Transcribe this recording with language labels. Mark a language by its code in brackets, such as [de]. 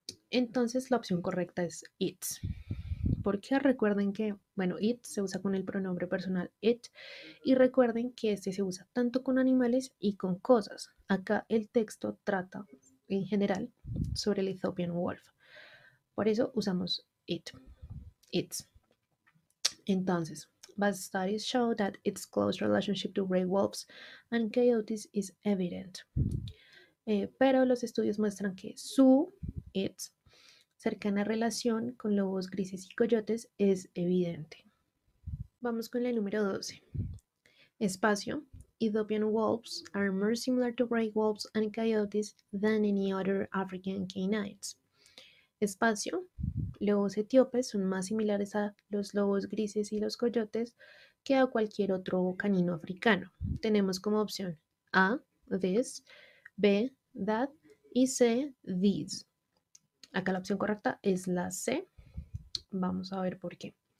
[es] Entonces la opción correcta es it's. Porque recuerden que, bueno, it se usa con el pronombre personal it. Y recuerden que este se usa tanto con animales y con cosas. Acá el texto trata en general sobre el Ethiopian wolf. Por eso usamos it, it's. Entonces, [en] but studies show that its close relationship to gray wolves and coyotes is evident. [es] Pero los estudios muestran que su, its, cercana relación con lobos grises y coyotes es evidente. Vamos con la número 12. Espacio, [en] Ethiopian wolves are more similar to gray wolves and coyotes than any other African canines. [es] Espacio, lobos etíopes son más similares a los lobos grises y los coyotes que a cualquier otro canino africano. Tenemos como opción A, this, B, that y C, these. Acá la opción correcta es la C. Vamos a ver por qué.